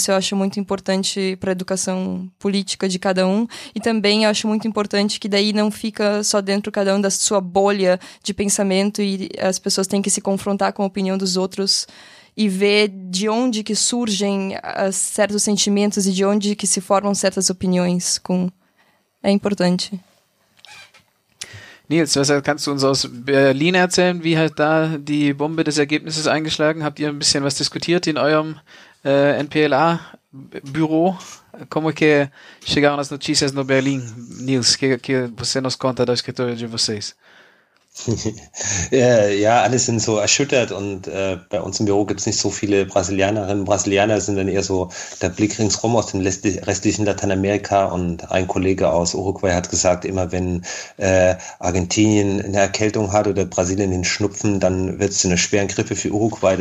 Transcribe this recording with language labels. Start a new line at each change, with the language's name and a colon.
Portuguese: Isso eu acho muito importante para a educação política de cada um, e também eu acho muito importante que daí não fica só dentro cada um da sua bolha de pensamento, e as pessoas têm que se confrontar com a opinião dos outros e ver de onde que surgem certos sentimentos e de onde que se formam certas opiniões. É importante.
German: Nils, was kannst du uns aus Berlin erzählen? Wie hat da die Bombe des Ergebnisses eingeschlagen? Habt ihr ein bisschen was diskutiert in eurem NPLA-Büro?
Portuguese: Como que chegaram as notícias no Berlin? Nils, que você nos conta do escritório de vocês?
German: Ja, alle sind so erschüttert, und bei uns im Büro gibt es nicht so viele Brasilianerinnen. Brasilianer sind dann eher so der Blick ringsrum aus dem restlichen Lateinamerika, und ein Kollege aus Uruguay hat gesagt, immer wenn Argentinien eine Erkältung hat oder Brasilien den Schnupfen, dann wird es zu einer schweren Grippe für Uruguay.